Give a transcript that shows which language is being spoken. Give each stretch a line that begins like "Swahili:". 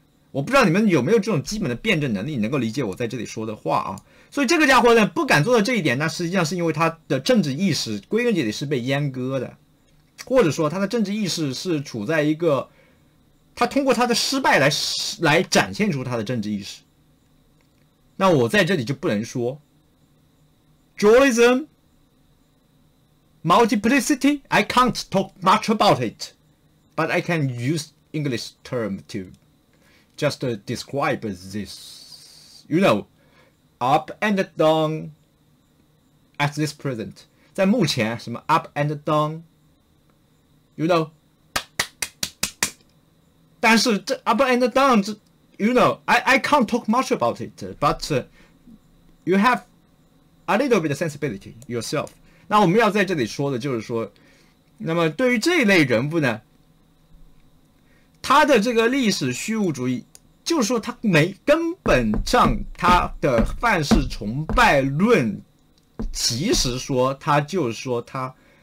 Chinese: 我不知道你们有没有这种基本的辩证能力，能够理解我在这里说的话啊。所以这个家伙呢，不敢做到这一点，那实际上是因为他的政治意识归根结底是被阉割的，或者说他的政治意识是处在一个，他通过他的失败来展现出他的政治意识。那我在这里就不能说。
English: Dualism, multiplicity, I can't talk much about it, but I can use English term to just describe this, you know, up and down at this present.
Chinese: 在目前什么
English: up and down, you know,
Chinese: 但是这
English: up and down, you know, I can't talk much about it, but you haveA little bit of sensibility yourself.
Chinese: 那我们要在这里说的就是说，那么对于这一类人物呢，他的这个历史虚无主义，就是说他没根本上他的范式崇拜论，其实说他就是说他